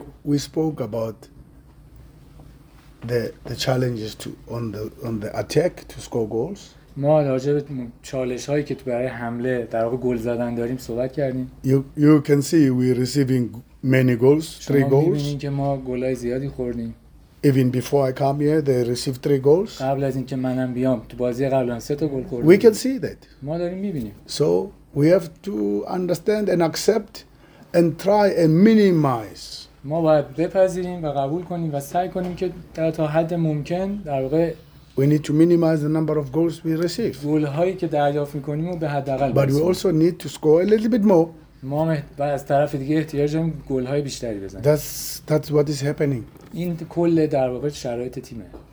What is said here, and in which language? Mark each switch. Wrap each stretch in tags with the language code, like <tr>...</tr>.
<en>We spoke about the challenges to on the attack to score goals.</en> <fa>ما راجع به چالش هایی که تو برای حمله در واقع گل زدن داریم صحبت کردیم.</fa> <en>You can see we receiving many goals, three goals.</en> <fa>شما می‌بینید که ما گلای زیادی خوردیم.</fa> <en>Even before I come here, they received three goals.</en> <fa>قبل از اینکه منم بیام تو بازی قبل از سه تا گل خوردیم.</fa> <en>We can see that.</en> <fa>ما داریم می‌بینیم.</fa> <en>So we have to understand and accept and try and minimize.</en> <fa>ما باید بپذیریم و قبول کنیم و سعی کنیم که در تا حد ممکن در واقع</fa> <en>we need to minimize the number of goals we receive.</en> <fa>گل هایی که دریافت میکنیم رو به حداقل.</fa> <en>But we also need to score a little bit more.</en> <fa>ما از طرف دیگه احتیاج داریم گل های بیشتری بزنیم.</fa> <en>That's what is happening.</en> <fa>این کل در واقع شرایط تیمه.</fa>